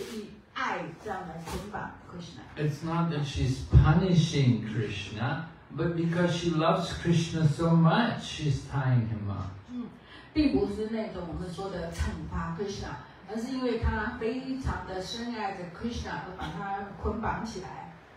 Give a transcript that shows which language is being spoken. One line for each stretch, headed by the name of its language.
Chinese: 就像亚修达母亲呢，她把奎夏捆绑起来的时候，是以爱这样来捆绑奎夏。
English: It's not that she's punishing Krishna, but because she loves Krishna so much, she's tying him up.
Chinese: 并不是那种我们说的惩罚奎夏，而是因为她非常的深爱着奎夏，而把他捆绑起来。